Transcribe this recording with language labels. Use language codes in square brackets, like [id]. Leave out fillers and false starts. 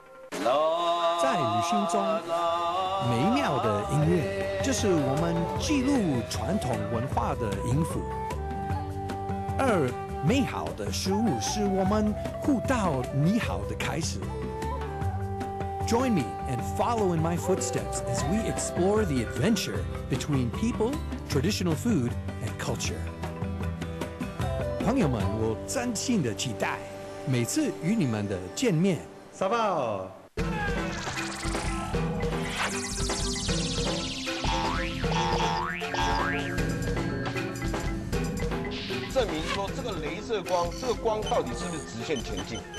[zh] 在旅行中，美妙的音乐就是我们记录传统文化的音符。二，美好的食物是我们互道你好的开始。 [en] Join me and follow in my footsteps as we explore the adventure between people, traditional food, and culture. [zh] 朋友们，我真心的期待每次与你们的见面。沙包。证明说这个雷射光，这个光到底是不是直线前进？